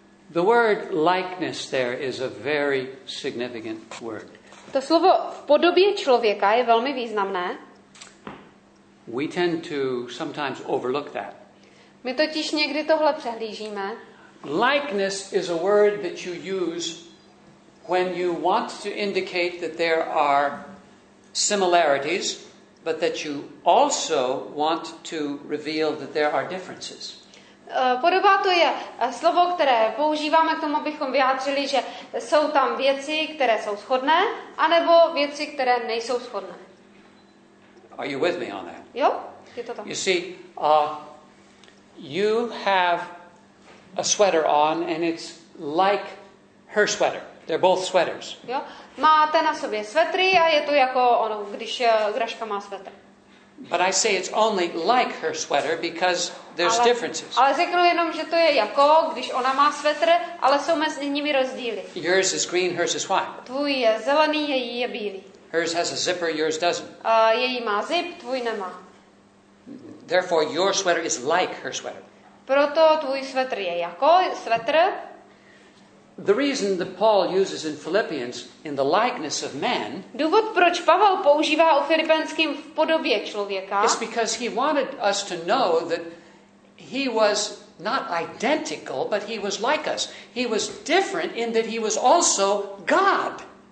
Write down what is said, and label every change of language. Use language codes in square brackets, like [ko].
[en] The word likeness there is a very significant word. [cs] To slovo v podobě člověka je velmi významné. [en] We tend to sometimes overlook that. [cs] My totiž někdy tohle přehlížíme. [en] Likeness is a word that you use when you want to indicate that there are similarities, but that you also want to reveal that there are differences. [cs] Podoba to je slovo, které používáme k tomu, abychom vyjádřili, že jsou tam věci, které jsou shodné, anebo věci, které nejsou shodné. [en] Are you with me on that? [cs] Jo, je to tam. [en] You see, you have a sweater on and it's like her sweater. They're both sweaters. [cs] Jo, máte na sobě svetry a je to jako ono, když Graška má svetr. [en] But I say it's only like her sweater because there's differences. [cs] Ale řeknu jenom, že to je jako, když ona má svetr, ale jsou mezi nimi rozdíly. [en] Yours is green, hers is white. [cs] Tvůj je zelený, její je bílý. [en] Hers has a zipper, yours doesn't. [cs] Její má zip, tvůj nemá. [en] Therefore your sweater is like her sweater. [cs] Proto tvůj svetr je jako svetr. [en] The reason that Paul uses in Philippians in the likeness of man. [cs] Důvod, proč Pavel používá u Filipenským v podobě člověka. [en] Is because he wanted us to know that he was not identical, but he was like us. He was different in that he was also God.